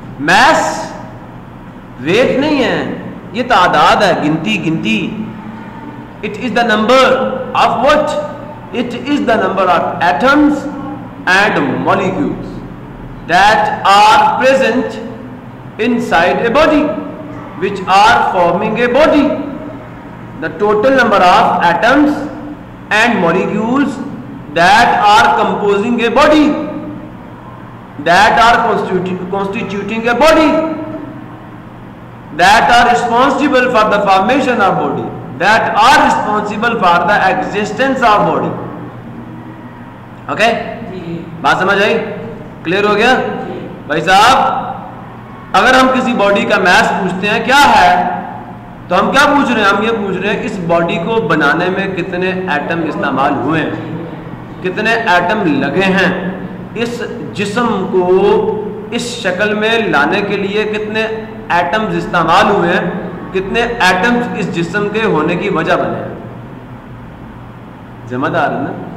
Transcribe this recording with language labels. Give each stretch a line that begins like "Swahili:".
Hindi: Mass weight नहीं है, ये तादाद है, गिनती गिनती।
English: It is the number of what? It is the number of atoms and molecules that are present inside a body which are forming a body. The total number of atoms and molecules that are composing a body, that are constituting a body, that are responsible for the formation of body, that are responsible for the existence of body.
Hindi: Okay? बात समझ आई? Clear हो गया? भाई साहब, अगर हम किसी body का mass पूछते हैं क्या है, तो हम क्या पूछ रहे हैं? हम ये पूछ रहे हैं इस बॉडी को बनाने में कितने एटम इस्तेमाल हुए हैं, कितने एटम लगे हैं, इस जिस्म को इस शक्ल में लाने के लिए कितने एटम्स इस्तेमाल हुए हैं, कितने एटम्स इस जिस्म के होने की वजह बने हैं। जिम्मेदार है ना?